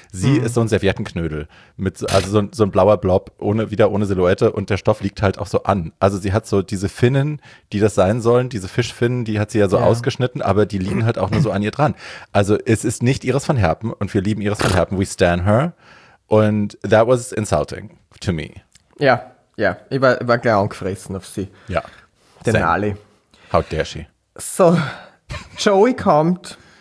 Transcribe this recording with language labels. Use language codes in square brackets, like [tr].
[de] Sie ist so ein Serviettenknödel, mit so, also so ein blauer Blob, ohne Silhouette, und der Stoff liegt halt auch so an. Also sie hat so diese Finnen, die das sein sollen, diese Fischfinnen, die hat sie ja so ausgeschnitten, aber die liegen halt auch nur so an ihr dran. Also es ist nicht Iris van Herpen und wir lieben Iris van Herpen, [en] we stan her. [de] Und [en] that was insulting to me. [de] Ja, ja, ich war gleich angefressen auf sie. Ja. Denali. [en] How dare she. [de] So, Joey kommt...